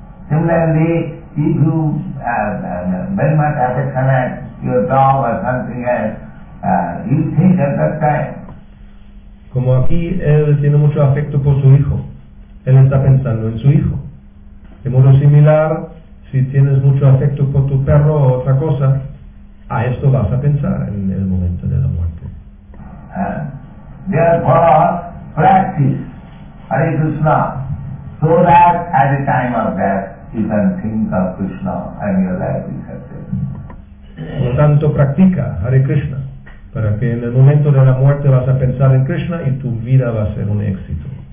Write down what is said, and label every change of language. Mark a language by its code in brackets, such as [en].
[en] Similarly, if you very much affectionate your dog or something else, you think at that time. [es] Como aquí él tiene mucho afecto por su hijo, él está pensando en su hijo. De modo similar, si tienes mucho afecto por tu perro o otra cosa, a esto vas a pensar en el momento de la muerte. [en] Therefore, practice Hare Krishna so that at the time of death you can think of Krishna and your life is accepted. [es] Por lo tanto, practica Hare Krishna para que en el momento de la muerte vas a pensar en Krishna y tu vida va a ser un éxito.